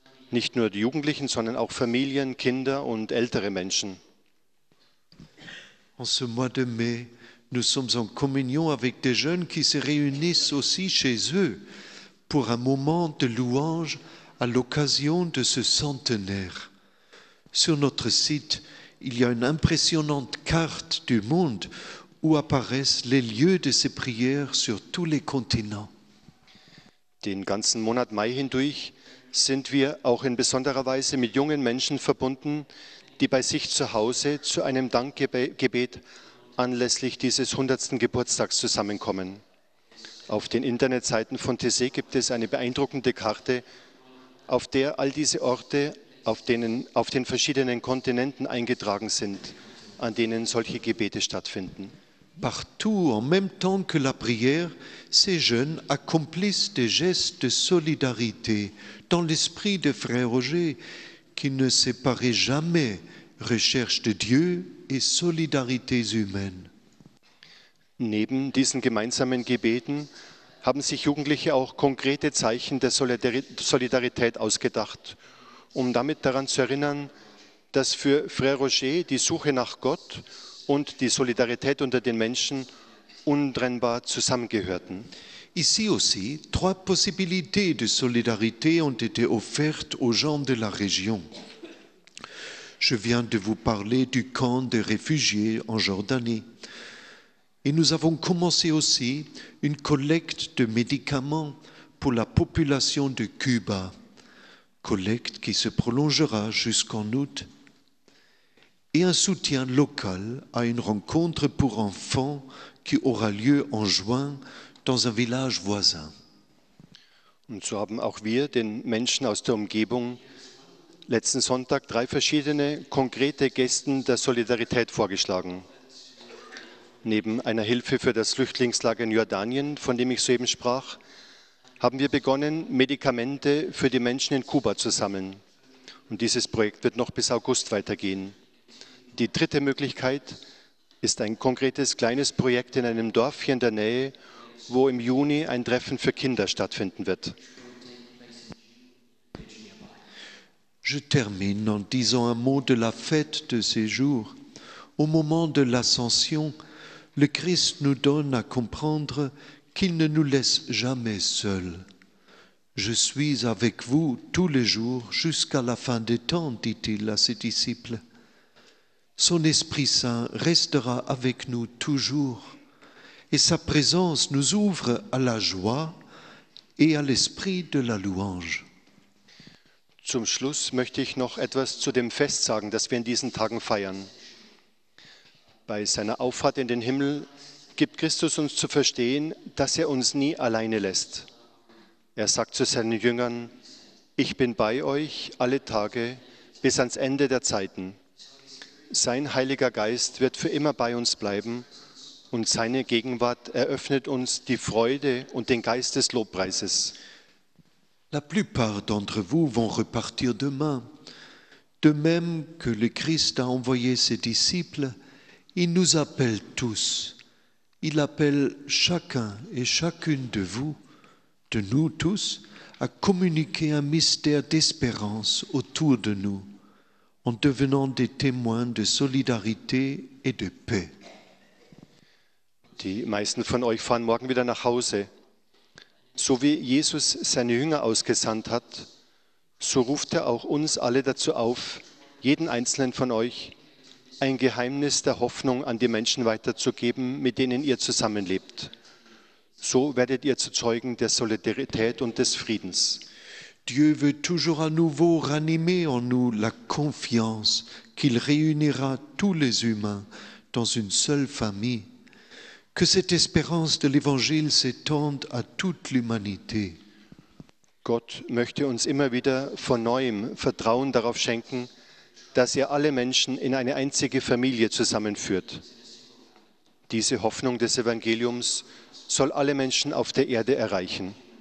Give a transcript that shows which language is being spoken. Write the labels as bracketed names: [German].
[German] Nicht nur die Jugendlichen, sondern auch Familien, Kinder und ältere Menschen. [French] En ce mois de mai, nous sommes en communion avec des jeunes qui se réunissent aussi chez eux pour un moment de louange à l'occasion de ce centenaire. Sur notre site, il y a une impressionnante carte du monde où apparaissent les lieux de ces prières sur tous les continents. [German] Den ganzen Monat Mai hindurch sind wir auch in besonderer Weise mit jungen Menschen verbunden, die bei sich zu Hause zu einem Dankgebet anlässlich dieses 100. Geburtstags zusammenkommen. Auf den Internetseiten von Thésée gibt es eine beeindruckende Karte, auf der all diese Orte, auf den verschiedenen Kontinenten eingetragen sind, an denen solche Gebete stattfinden. [French] Partout, en même temps que la prière, ces jeunes accomplissent des gestes de solidarité dans l'esprit de Frère Roger, qui ne séparait jamais recherche de Dieu et solidarité humaine. [German] Neben diesen gemeinsamen Gebeten haben sich Jugendliche auch konkrete Zeichen der Solidarität ausgedacht, um damit daran zu erinnern, dass für Frère Roger die Suche nach Gott und die Solidarität unter den Menschen untrennbar zusammengehörten. [French] Ici aussi, trois possibilités de solidarité ont été offertes aux gens de la région. Je viens de vous parler du camp des réfugiés en Jordanie. Et nous avons commencé aussi une collecte de médicaments pour la population de Cuba, collecte qui se prolongera jusqu'en août, et un soutien local à une rencontre pour enfants qui aura lieu en juin dans un village voisin. [German] Und so haben auch wir den Menschen aus der Umgebung letzten Sonntag drei verschiedene konkrete Gesten der Solidarität vorgeschlagen. Neben einer Hilfe für das Flüchtlingslager in Jordanien, von dem ich soeben sprach, haben wir begonnen, Medikamente für die Menschen in Kuba zu sammeln. Und dieses Projekt wird noch bis August weitergehen. Die dritte Möglichkeit ist ein konkretes kleines Projekt in einem Dorf hier in der Nähe, wo im Juni ein Treffen für Kinder stattfinden wird. [French] Je termine en disant un mot de la fête de ces jours. Au moment de l'ascension, le Christ nous donne à comprendre qu'il ne nous laisse jamais seuls. Je suis avec vous tous les jours jusqu'à la fin des temps, dit-il à ses disciples. Son Esprit Saint restera avec nous toujours et sa présence nous ouvre à la joie et à l'esprit de la louange. [German] Zum Schluss möchte ich noch etwas zu dem Fest sagen, das wir in diesen Tagen feiern. Bei seiner Auffahrt in den Himmel gibt Christus uns zu verstehen, dass er uns nie alleine lässt. Er sagt zu seinen Jüngern, ich bin bei euch alle Tage bis ans Ende der Zeiten. Sein Heiliger Geist wird für immer bei uns bleiben und seine Gegenwart eröffnet uns die Freude und den Geist des Lobpreises. [French] La plupart d'entre vous vont repartir demain. De même que le Christ a envoyé ses disciples, il nous appelle tous. Il appelle chacun et chacune de vous, de nous tous, à communiquer un mystère d'espérance autour de nous, en devenant des témoins de solidarité et de paix. [German] Die meisten von euch fahren morgen wieder nach Hause. So wie Jesus seine Jünger ausgesandt hat, so ruft er auch uns alle dazu auf, jeden Einzelnen von euch, ein Geheimnis der Hoffnung an die Menschen weiterzugeben, mit denen ihr zusammenlebt. So werdet ihr zu Zeugen der Solidarität und des Friedens. [French] Dieu veut toujours à nouveau ranimer en nous la confiance qu'il réunira tous les humains dans une seule famille. Que cette espérance de l'Évangile s'étende à toute l'humanité. [German] Gott möchte uns immer wieder von neuem Vertrauen darauf schenken, dass er alle Menschen in eine einzige Familie zusammenführt. Diese Hoffnung des Evangeliums soll alle Menschen auf der Erde erreichen.